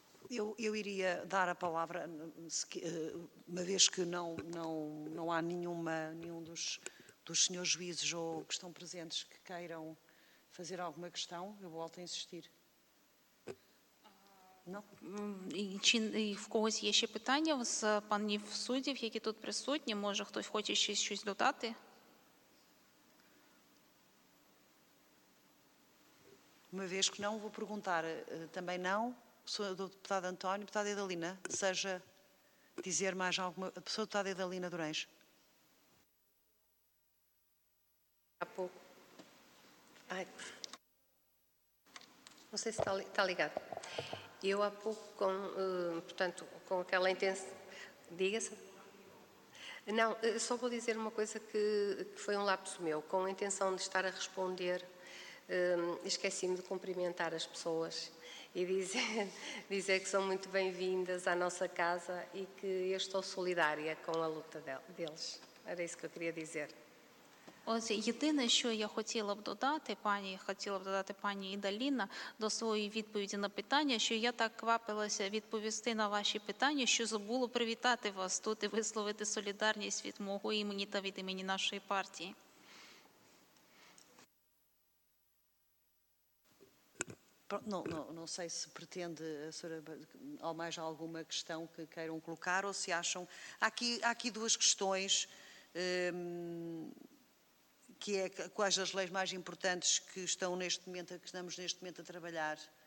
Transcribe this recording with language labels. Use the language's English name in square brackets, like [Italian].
[Portuguese] Eu iria dar a palavra, uma vez que não há nenhum dos senhores juízes ou que estão presentes que queiram fazer alguma questão. Eu volto a insistir. No. [Ukrainian] І в когось є ще питання з панів суддів, які тут присутні? Може, хтось хоче ще щось додати? [Portuguese] Uma vez que não, vou perguntar também não, sou deputada António, deputada Edalina, seja dizer mais alguma, sou deputada Edalina Durães. Há pouco. Ai. Não sei se está ligado. Eu há pouco, portanto, com aquela intenção, diga-se. Não, só vou dizer uma coisa que foi um lapso meu, com a intenção de estar a responder... esqueci-me de cumprimentar as pessoas e dizer que são muito bem-vindas à nossa casa e que eu estou solidária com a luta deles. Era isso que eu queria dizer. [Ukrainian] Ось єдине, що я хотіла б додати пані Ідаліна до своєї відповіді на питання, що я так квапилася відповісти на ваші питання, що забула привітати вас тут і висловити солідарність від мого імені та від імені нашої партії. [Portuguese] Não, não, não sei se pretende, a senhora, há mais alguma questão que queiram colocar ou se acham... Há aqui duas questões, que é quais as leis mais importantes que estão neste momento a trabalhar.